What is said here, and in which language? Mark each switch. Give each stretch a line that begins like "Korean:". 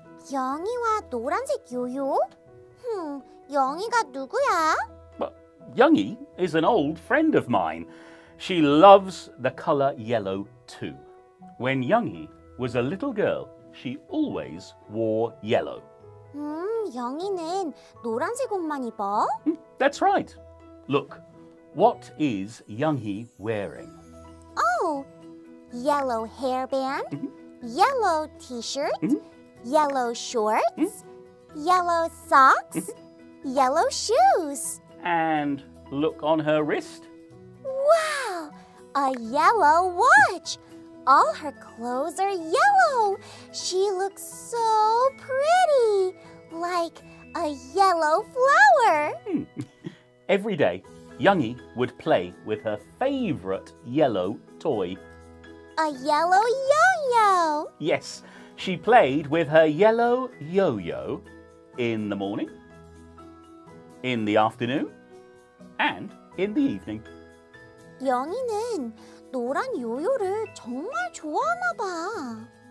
Korean: Youngie와 노란색 요요? 영희가 누구야?
English: Youngie is an old friend of mine. She loves the color yellow too. When Youngie was a little girl, she always wore yellow.
Korean: 영희는 노란색 옷만 입어?
English: That's right. Look, what is Youngie wearing? Oh, yellow hairband, yellow t-shirt, yellow shorts, yellow socks, yellow shoes. And look on her wrist. Wow, a yellow watch. All her clothes are yellow. She looks so pretty, like a yellow flower. Every day, Youngie would play with her favorite yellow toy. A yellow yo-yo. Yes, she played with her yellow yo-yo in the morning, in the afternoon, and in the evening.
Korean: 영희는 노란 요요를 정말 좋아하나 봐.